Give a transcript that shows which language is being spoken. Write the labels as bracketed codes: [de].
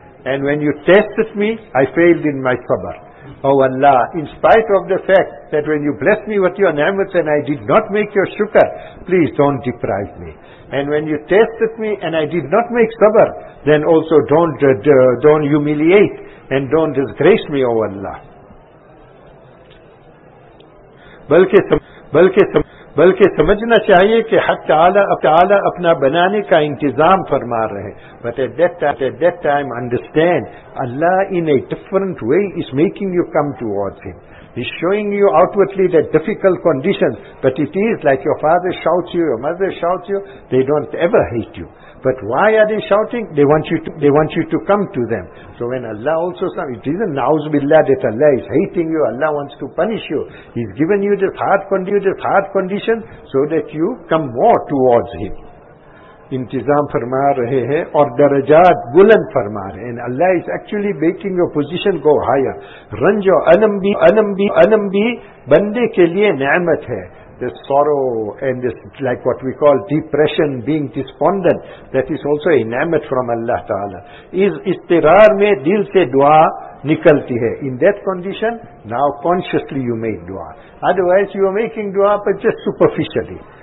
[en] And when you tested me, I failed in my sabr. Oh Allah, in spite of the fact that when you blessed me with your ni'mat and I did not make your shukr, please don't deprive me. And when you tested me and I did not make sabr, then also don't humiliate and don't disgrace me, oh Allah. [ur] بلکہ سمجھنا چاہیے کہ حق تعالیٰ اپنا بنانے کا انتظام فرما رہے. [en] But at that time understand Allah in a different way is making you come towards Him. He's showing you outwardly the difficult conditions, but it is like your father shouts you, your mother shouts you, they don't ever hate you. But why are they shouting? They want you to come to them. So when Allah also says, it isn't na'uz billah that Allah is hating you, Allah wants to punish you. He's given you this hard condition so that you come more towards Him. [ur] انتظام فرما رہے ہیں اور درجات بلند فرما رہے ہیں. [en] اللہ is actually making your position go higher. [ur] رنج و الم بھی بندے کے لیے نعمت ہے. [en] This sorrow and this, like what we call depression, being despondent, that is also a ni'mat from Allah Ta'ala. [ur] Is istirar mein dil se dua nikalti hai. [en] In that condition, now consciously you make dua. Otherwise you are making dua, but just superficially.